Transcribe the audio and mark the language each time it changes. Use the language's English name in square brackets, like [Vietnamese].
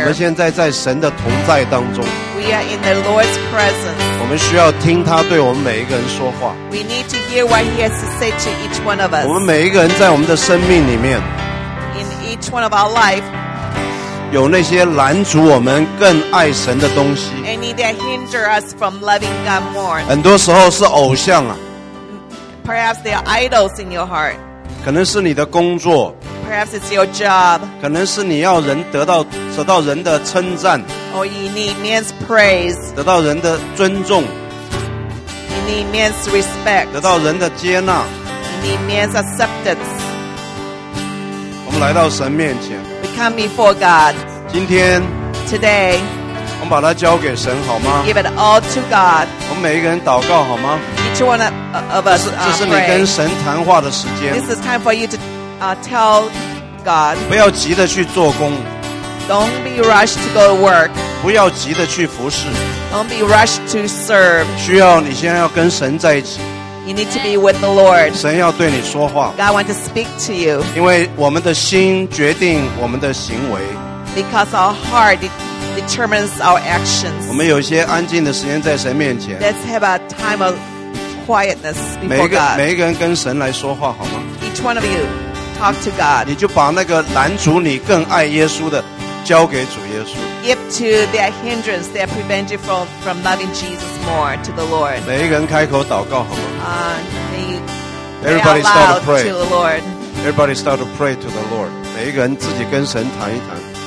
[Chinese] 我们现在在神的同在当中。 [English] We are in the Lord's presence. [Chinese] 我们需要听他对我们每一个人说话。 [English] We need to hear what he has to say to each one of us. [Chinese] 我们每一个人在我们的生命里面。 [English] In each one of our life. [Chinese] 有那些拦阻我们更爱神的东西 [English] Any that hinder us from loving God more [Chinese] 很多时候是偶像啊 [English] Perhaps they are idols in your heart [Chinese] 可能是你的工作 [English] Perhaps it's your job [Chinese] 可能是你要人得到人的称赞 [English] Or you need man's praise [Chinese] 得到人的尊重 [English] You need man's respect [Chinese] 得到人的接纳 [English] You need man's acceptance [Chinese] 我们来到神面前 [English] Come before God. [Chinese] 今天 [English] Today, [Chinese] 我们把它交给神好吗 [English] Give it all to God. [Chinese] 我们每一个人祷告好吗 [English] Each one of us pray. [Chinese] 这是你跟神谈话的时间 [English] This is time for you to tell God. [Chinese] 不要急着去做工 [English] Don't be rushed to go to work. [Chinese] 不要急着去服事 [English] Don't be rushed to serve. [Chinese] 需要你现在要跟神在一起 [English] You need to be with the Lord. [Chinese] 神要对你说话。 [English] God wants to speak to you. [Chinese] 因为我们的心决定我们的行为。 [English] Because our heart determines our actions. [Chinese] 我们有一些安静的时间在神面前。 [English] Let's have a time of quietness before God. [Chinese] 每一个人跟神来说话好吗 [English] ？Each one of you talk to God. [Chinese] 你就把那个拦阻你更爱耶稣的交给主耶稣。 [English] Give to that hindrance that prevents you from loving Jesus more to the Lord. [Chinese] 每一个人开口祷告好吗？ [English] Everybody start to pray. To the Lord. Everybody start to pray to the Lord. [Chinese] 每一个人自己跟神谈一谈。